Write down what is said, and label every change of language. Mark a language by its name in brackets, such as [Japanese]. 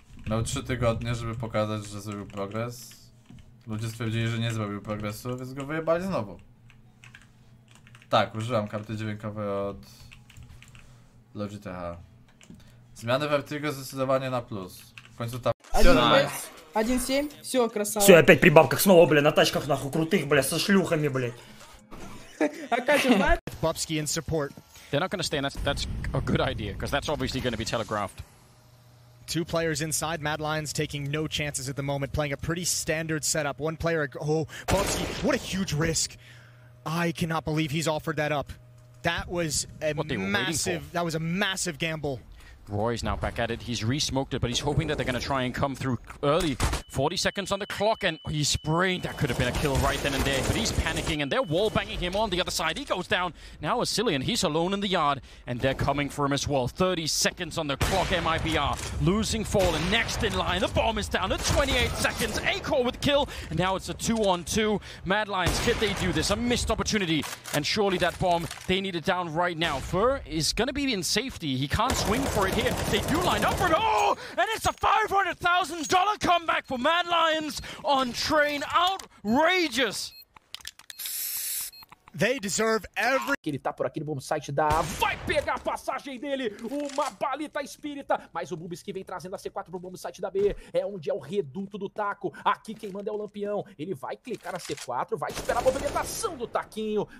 [Polish] Miał 3 tygodnie, żeby pokazać, że zrobił progres. Ludzie stwierdzili, że nie zrobił progresu, więc go wyjebali znowu. Tak, użyłam karty dźwiękowej od Logitech. Zmiany Vertigo zdecydowanie na plus. W końcu ta... [Russian] 1-7, все, красава. Все, опять при бабках снова, бля, на тачках нахуй крутых, бля, со шлюхами, бля. А как [English] Бабский in support. They're not gonna stay, and that's a good idea, because that's obviously gonna be telegraphed. Two players inside, Mad Lions taking no chances at the moment, playing a pretty standard setup. One player, oh, Bobski, what a huge risk. I cannot believe he's offered that up. That was a massive, that was a massive gamble. Roy's now back at it. He's re-smoked it, but he's hoping that they're going to try and come through early. 40 seconds on the clock, and he's sprayed. That could have been a kill right then and there, but he's panicking, and they're wall-banging him on the other side. He goes down. Now Asilian, he's alone in the yard, and they're coming for him as well. 30 seconds on the clock, MIBR. Losing Fallen, next in line. The bomb is down at 28 seconds. Acor with kill, and now it's a 2-on-2. Mad Lions, could they do this? A missed opportunity, and surely that bomb, they need it down right now. Fur is going to be in safety. He can't swing for it here. They do line up for it. Oh, and it's a $500,000 comeback for Mad Lions on train. Outrageous. They deserve every... [Portuguese] Ele tá por aqui no bom site da... Vai pegar a passagem dele! Uma balita espírita! Mas o Bubis que vem trazendo a C4 pro bom site da B. É onde é o reduto do Taco. Aqui quem manda é o Lampião. Ele vai clicar na C4, vai esperar a movimentação do Taquinho.